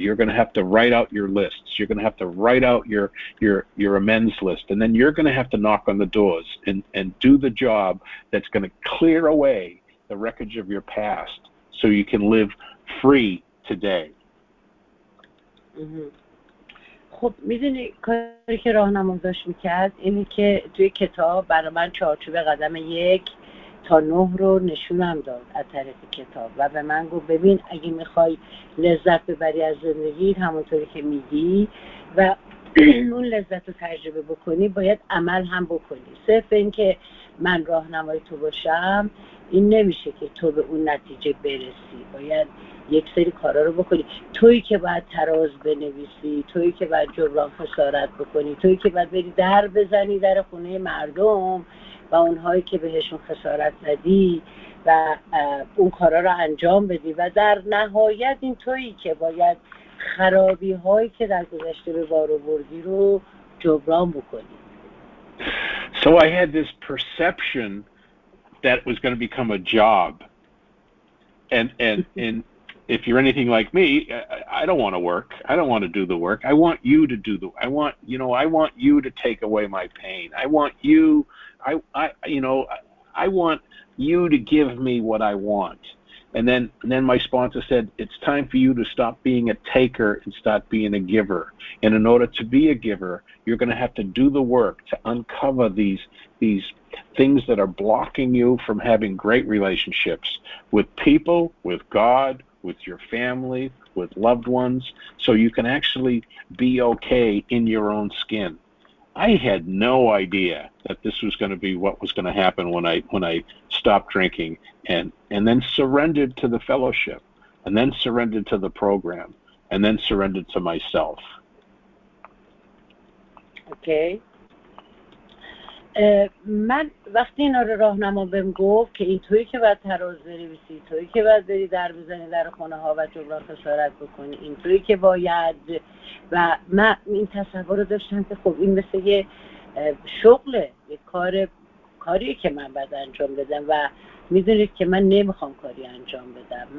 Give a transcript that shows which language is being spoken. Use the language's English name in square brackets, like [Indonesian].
[English] You're going to have to write out your lists. You're going to have to write out your amends list. And then you're going to have to knock on the doors and do the job that's going to clear away the wreckage of your past so you can live free today. [Persian] خب میدونی کاری که راهنمام داشت میکرد اینه که توی کتاب برای من چارچوب قدم 1 تا 9 رو نشونم داد از طریق کتاب و به من گفت ببین اگه میخوای لذت ببری از زندگی همونطوری که میگی و اون لذت رو تجربه بکنی باید عمل هم بکنی. صرف این که من راهنمای تو باشم این نمیشه که تو به اون نتیجه برسی، باید یک سری کارا رو بکنی. تویی که باید تراز بنویسی، تویی که باید جبران خسارت بکنی، تویی که باید بری در بزنی در خونه مردم و اونهایی که بهشون خسارت زدی و اون کارا رو انجام بدی و در نهایت این تویی که باید خرابی هایی که در گذشته به بار آوردی رو جبران بکنی. [English] So I had this perception that was going to become a job. And if you're anything like me, I don't want to work. I don't want to do the work. I want you to do the, I want you to take away my pain. I want you to give me what I want. And then my sponsor said, it's time for you to stop being a taker and start being a giver. And in order to be a giver, you're going to have to do the work to uncover these things that are blocking you from having great relationships with people, with God, with your family, with loved ones, so you can actually be okay in your own skin. I had no idea that this was going to be what was going to happen when I stopped drinking and then surrendered to the fellowship and then surrendered to the program and then surrendered to myself. Okay. [Persian] من وقتی این رو راهنما بهم گفت که این تویی که باید تراز بنویسی، تویی که باید بری در بزنی در خونه ها و جبران خسارت بکنی، این تویی که باید، و من این تصور رو داشتم که خب این مثل یه شغله، یه کاریه که من باید انجام بدم و میدونید که من نمیخوام کاری انجام بدم.